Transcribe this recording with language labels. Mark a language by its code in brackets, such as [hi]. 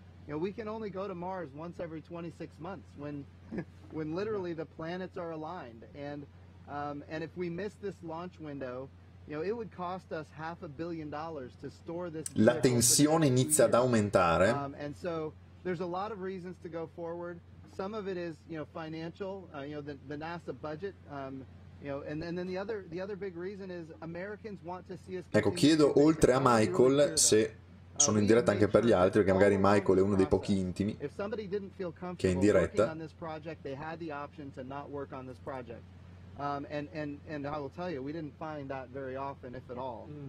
[en] You know, we can only go to Mars once every 26 months when literally the planets are aligned, and if we miss this launch window, you know, it would cost us $500 million to store this. [it] La tensione inizia ad aumentare. [en] And so there's a lot of reasons to go forward. Some of it is, you know, financial, you know, the NASA budget, you know, and then the other big reason is Americans want to see us. [it] Ecco, chiedo oltre a Michael se sono in diretta anche per gli altri, perché magari Michael è uno dei pochi intimi che è in diretta. [en] On this project, they had the option to not work on this project. And I will tell you, we didn't find that very often, if at all.